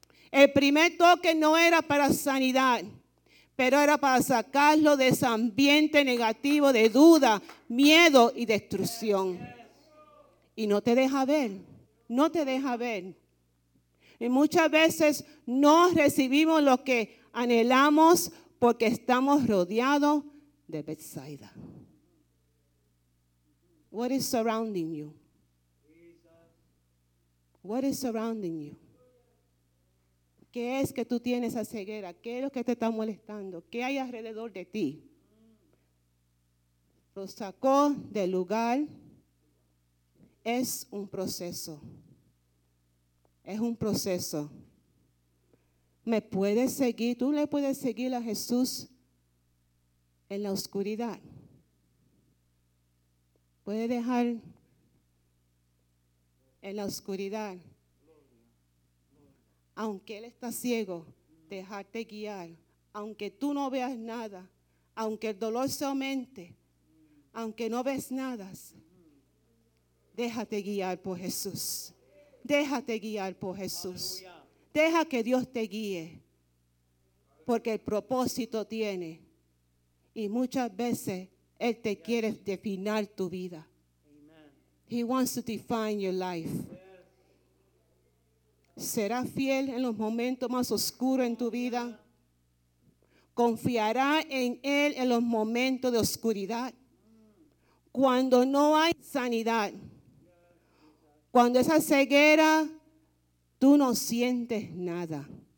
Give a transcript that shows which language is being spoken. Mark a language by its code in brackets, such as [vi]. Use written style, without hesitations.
[es] El primer toque no era para sanidad, pero era para sacarlo de ese ambiente negativo de duda, miedo y destrucción. Y no te deja ver, no te deja ver. Y muchas veces no recibimos lo que anhelamos, porque estamos rodeados de Bethsaida. [en] What is surrounding you? What is surrounding you? [es] ¿Qué es que tú tienes esa ceguera? ¿Qué es lo que te está molestando? ¿Qué hay alrededor de ti? Lo sacó del lugar. Es un proceso. Es un proceso. ¿Me puedes seguir? ¿Tú le puedes seguir a Jesús en la oscuridad? ¿Puedes dejar en la oscuridad? Aunque Él está ciego, dejarte guiar. Aunque tú no veas nada, aunque el dolor se aumente, aunque no ves nada, déjate guiar por Jesús. Déjate guiar por Jesús. Aleluya. Deja que Dios te guíe, porque el propósito tiene. Y muchas veces Él te quiere definir tu vida. Amen. [en] He wants to define your life. [es] ¿Será fiel en los momentos más oscuros en tu vida? ¿Confiará en Él en los momentos de oscuridad? Cuando no hay sanidad. Cuando esa ceguera, tú no sientes nada.